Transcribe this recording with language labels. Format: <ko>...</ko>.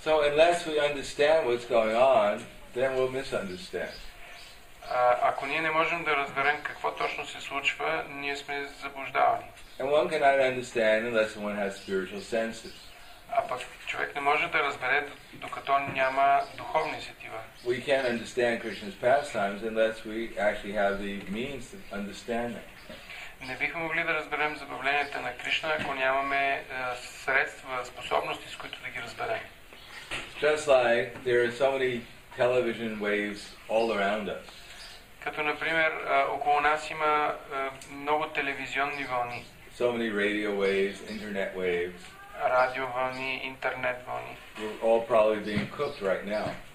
<en>So unless we understand what's going on, then we'll misunderstand.</en> <bg>Ако ние не можем да разберем какво точно се случва, ние сме заблуждавани.</bg> <en>And one cannot understand unless one has spiritual senses.</en> <bg>А пък човек не може да разбере, докато няма духовни сетива.</bg> <en>We can't understand Krishna's pastimes unless we actually have the means to understand it.</en> <bg>Не бихме могли да разберем забавленията на Кришна, ако нямаме средства, способности, с които да ги разберем.</bg> <en>Just like there are so many television waves all around us.</en> <bg>Като, например, около нас има много телевизионни вълни.</bg> <en>So many radio waves, internet waves.</en> <bg>Радио вълни, интернет вълни.</bg> <en>We're all probably being cooked right now.</en>